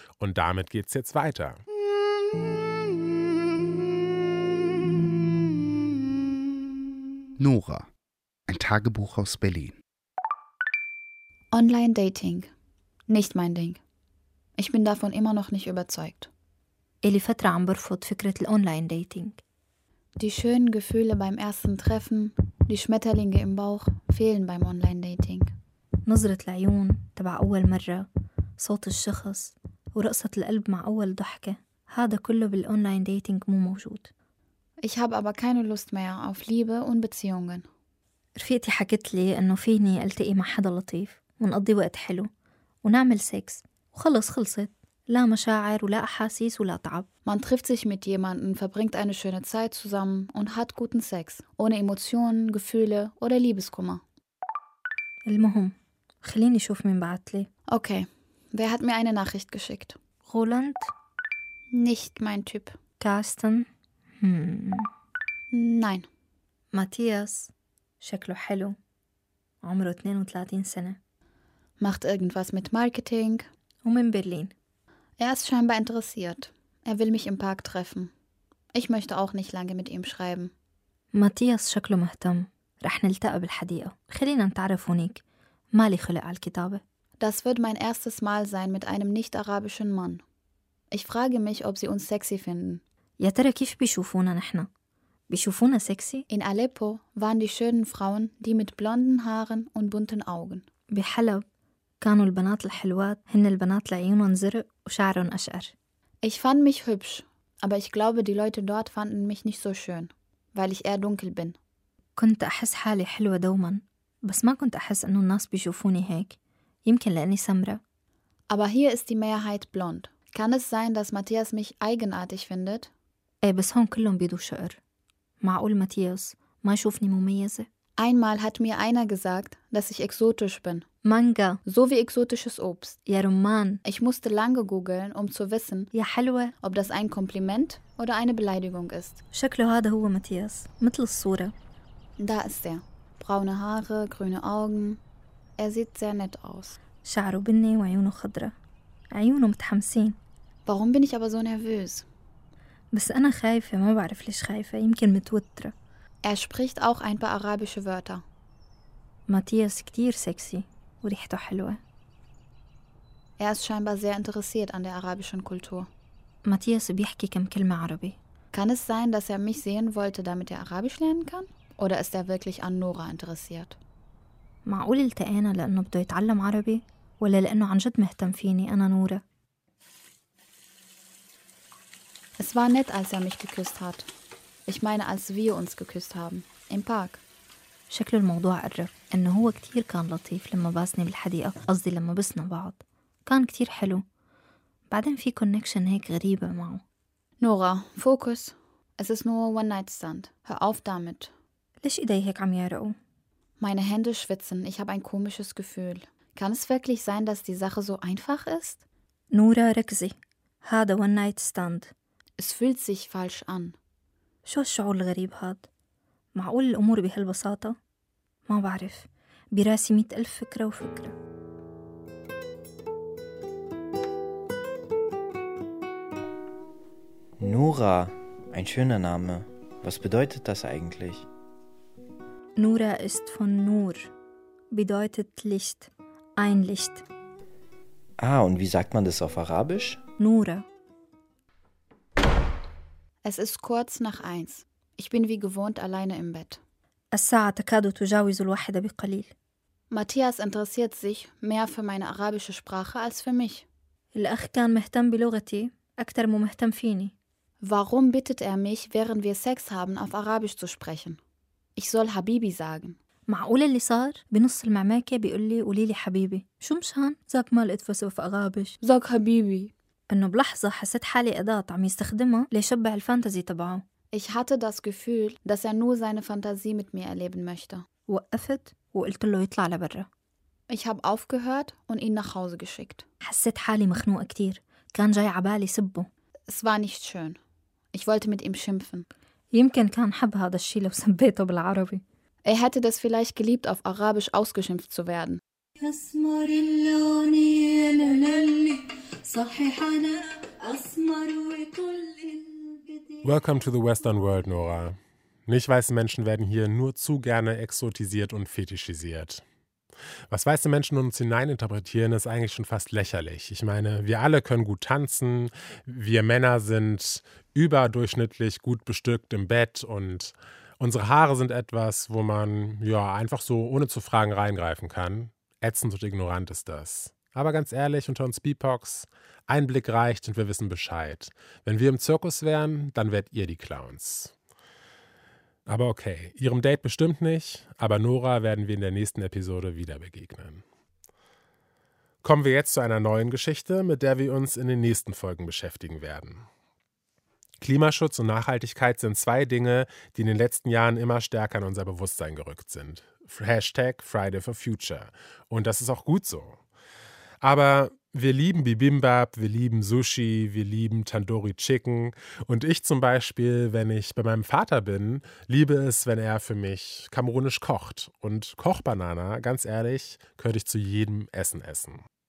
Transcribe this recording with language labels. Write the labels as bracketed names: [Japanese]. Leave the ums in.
[German] Und damit geht's jetzt weiter. Nora. Ein Tagebuch aus Berlin. Online-Dating. Nicht mein Ding. Ich bin davon immer noch nicht überzeugt. [Arabic] اللي فترة عم برفض فكرة الأونلاين ديتينج [German] Die schönen Gefühle beim ersten Treffen, die Schmetterlinge im Bauch fehlen beim Online-Dating. [Arabic] نظرة العيون تبع أول مرة صوت الشخص ورقصة القلب مع أول ضحكة هذا كله بالأونلاين ديتينج مو موجود [German] Ich habe aber keine Lust mehr auf Liebe und Beziehungen. [Arabic] رفيقتي حكت لي إنه فيني ألتقي مع حدا لطيف ونقضي وقت حلو ونعمل سكس وخلص خلصت لا مشاعر ولا أحاسيس ولا تعب [German] Man trifft sich mit jemandem, verbringt eine schöne Zeit zusammen und hat guten Sex, ohne Emotionen, Gefühle oder Liebeskummer. [Arabic] المهم خليني شوف مين بعتلي [German] Okay, wer hat mir eine Nachricht geschickt? [Arabic] رولاند [German] Nicht mein Typ. [Arabic] كارستن هم. [German] Nein. [Arabic] ماتياس شكله حلو عمره 32 سنة [German] Macht irgendwas mit Marketing. [Arabic] ومن برلين [German] Er ist scheinbar interessiert. Er will mich im Park treffen. Ich möchte auch nicht lange mit ihm schreiben. [Arabic] ماتياس شكله مهتم رح نلتقى بالحديقة خلينا نتعرف هونيك مالي خلق على الكتابة [German] Das wird mein erstes Mal sein mit einem nicht-arabischen Mann. Ich frage mich, ob sie uns sexy finden. [Arabic] يا ترى كيف بيشوفونا نحنا بيشوفونا سكسي [German] In Aleppo waren die schönen Frauen die mit blonden Haaren und bunten Augen. [Arabic] بحلب كانوا البنات الحلوات هن البنات لعيونهم زرق وشعرهم أشقر [German] Ich fand mich hübsch, aber ich glaube, die Leute dort fanden mich nicht so schön, weil ich eher dunkel bin. [Arabic] كنت أحس حالي حلوة دوما بس ما كنت أحس إنه الناس بيشوفوني هيك يمكن لأني سمرة [German] Aber hier ist die Mehrheit blond. Kann es sein, dass Matthias mich eigenartig findet? [Arabic] إيه بس هون كلهم بيدوا شقر معقول ماتياس ما يشوفني مميزة [German] Einmal hat mir einer gesagt, dass ich exotisch bin, [Arabic] مانجا [German] so wie exotisches Obst. [Arabic] يا رمان [German] Ich musste lange googeln, um zu wissen, [Arabic] يا حلوة [German] ob das ein Kompliment oder eine Beleidigung ist. [Arabic] شكله هذا هو متياس مثل الصورة [German] Da ist er. Braune Haare, grüne Augen. Er sieht sehr nett aus. [Arabic] شعره بني وعيونه خضرة عيونه متحمسين [German] Warum bin ich aber so nervös? [Arabic] بس أنا خايفة ما بعرف ليش خايفة يمكن متوترة [German] Er spricht auch ein paar arabische Wörter. [Arabic] ماتياس كتير سكسي وريحته حلوة [German] Er ist scheinbar sehr interessiert an der arabischen Kultur. [Arabic] ماتياس بيحكي كم كلمة عربي [German] Kann es sein, dass er mich sehen wollte, damit er Arabisch lernen kann? Oder ist er wirklich an Nora interessiert? [Arabic] معقول التقينا لأنه بده يتعلم عربي ولا لأنه عن جد مهتم فيني أنا نورة [German] Es war nett, als er mich geküsst hat. Ich meine, als wir uns geküsst haben. Im Park. [Arabic] شكله الموضوع قرب إنه هو كتير كان لطيف لما باسني بالحديقة قصدي لما بسنا بعض كان كتير حلو بعدين في كونكشن هيك غريبة معه [German] Nora, Fokus. Es ist nur One-Night-Stand. Hör auf damit. [Arabic] ليش إيدي هيك عم يعرقوا؟ [German] Meine Hände schwitzen. Ich habe ein komisches Gefühl. Kann es wirklich sein, dass die Sache so einfach ist? [Arabic] نورة ركزي هذا ون نايت ستاند [German] Es fühlt sich falsch an. [Arabic] شو الشعور الغريب هاد؟ معقول الأمور بهالبساطة؟ ما بعرف براسي مئة ألف فكرة وفكرة [German] Nora, ein schöner Name. Was bedeutet das eigentlich? نورا ist von Nur bedeutet Licht ein Licht Ah, und wie sagt man das auf Arabisch? Nura Es ist kurz nach eins. Ich bin wie gewohnt alleine im Bett. [Arabic] الساعة تكاد تجاوز الواحدة بقليل [German] Matthias interessiert sich mehr für meine arabische Sprache als für mich. [Arabic] الأخ كان مهتم بلغتي أكثر ما مهتم فيني [German] Warum bittet er mich, während wir Sex haben, auf Arabisch zu sprechen? Ich soll Habibi sagen. [Arabic] معقول اللي صار بنص المعماكة بيقول لي قولي لي حبيبي شو مشان ذاك مال اتفسف في أغابش [German] Sag Habibi. [Arabic] إنه بلحظة حسيت حالي أداة عم يستخدمها ليشبع الفانتزي تبعه [German] Ich hatte das Gefühl, dass er nur seine Fantasie mit mir erleben möchte. [Arabic] وقفت وقلت له يطلع لبرا [German] Ich habe aufgehört und ihn nach Hause geschickt. [Arabic] حسيت حالي مخنوقة كتير كان جاي عبالي سبه [German] Es war nicht schön. Ich wollte mit ihm schimpfen. [Arabic] يمكن كان حب هذا الشي لو سبيته بالعربي [German] Er hätte das vielleicht geliebt, auf Arabisch ausgeschimpft zu werden. [Arabic] أسمر اللون يا لولي صحيح أنا أسمر وكل البداية [English] Welcome to the Western World, Nora. [German] Nicht weiße Menschen werden hier nur zu gerne exotisiert und fetischisiert. Was weiße Menschen uns hineininterpretieren, ist eigentlich schon fast lächerlich. Ich meine, wir alle können gut tanzen, wir Männer sind überdurchschnittlich gut bestückt im Bett und unsere Haare sind etwas, wo man ja einfach so ohne zu fragen reingreifen kann. Ätzend und ignorant ist das. Aber ganz ehrlich, unter uns Beepox, ein Blick reicht und wir wissen Bescheid. Wenn wir im Zirkus wären, dann wärt ihr die Clowns. Aber okay, ihrem Date bestimmt nicht, aber Nora werden wir in der nächsten Episode wieder begegnen. Kommen wir jetzt zu einer neuen Geschichte, mit der wir uns in den nächsten Folgen beschäftigen werden. Klimaschutz und Nachhaltigkeit sind zwei Dinge, die in den letzten Jahren immer stärker in unser Bewusstsein gerückt sind. [English] Hashtag Friday for Future. [German] Und das ist auch gut so. Aber wir lieben Bibimbap, wir lieben Sushi, wir lieben Tandoori Chicken. Und ich zum Beispiel, wenn ich bei meinem Vater bin, liebe es, wenn er für mich kamerunisch kocht. Und Kochbanana, ganz ehrlich, könnte ich zu jedem Essen essen.